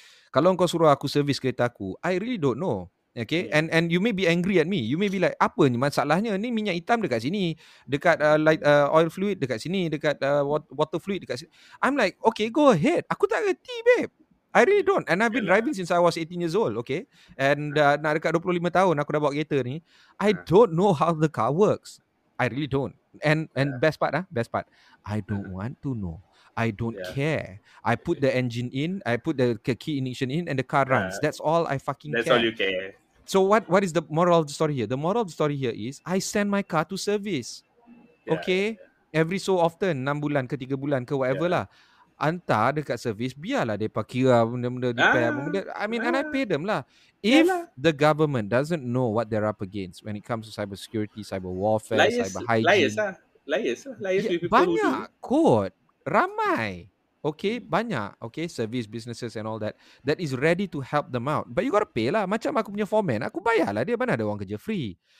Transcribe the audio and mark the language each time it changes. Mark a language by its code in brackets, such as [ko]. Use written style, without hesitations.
[ms] Kalau kau suruh aku servis kereta aku, [en] I really don't know. Okay? Yeah. And you may be angry at me. You may be like, [ms] apa ni masalahnya? Ni minyak hitam dekat sini. Dekat oil fluid dekat sini. Dekat water fluid dekat sini. [en] I'm like, okay, go ahead. [ms] Aku tak reti, [en] babe. I really don't. And I've been driving since I was 18 years old. Okay? [ms] And nak dekat 25 tahun aku dah bawa kereta ni. [en] I don't know how the car works. I really don't. Best part. I don't want to know. I don't care. I put the engine in, I put the key ignition in, and the car runs. That's all I fucking care. That's all you care. So what is the moral of the story here? The moral of the story here is, I send my car to service. Yeah, okay? Yeah. Every so often, [ms] 6 bulan ke 3 bulan ke [en] whatever lah. [ms] Hantar dekat service, biarlah mereka kira benda-benda [en] and I pay them [ms] lah. [en] The government doesn't know what they're up against when it comes to cyber security, cyber warfare, liars, cyber hygiene. Liars. [ms] Banyak kot. Ramai, [en] okay, [ms] banyak, [en] okay, service businesses and all that is ready to help them out. But you got to pay lah. [ms] Macam aku punya foreman, aku bayar lah dia, mana ada orang kerja free.